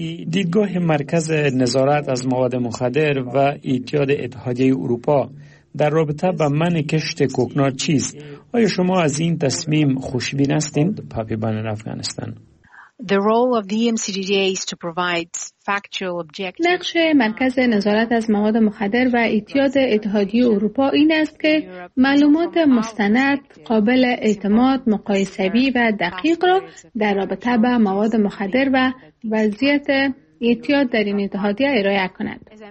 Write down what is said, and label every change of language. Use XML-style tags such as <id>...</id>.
<fa>دیدگاه مرکز نظارت از مواد مخدر و ایتیاد اتحادیه اروپا در رابطه با منع کشت کوکنار چیست؟ آیا شما از این تصمیم خوشبین هستین؟</fa> <en>پاپی بانر</en> <fa>افغانستان.</fa> <en>The role of the EMCDDA is to provide factual objective.</en> <fa>نقش مرکز نظارت از مواد مخدر و ایتیاد اتحادیه اروپا این است که معلومات مستند، قابل اعتماد، مقایسه‌ای و دقیق را در رابطه با مواد مخدر و وضعیت ایتیاد در این اتحادیه ارائه کند.</fa>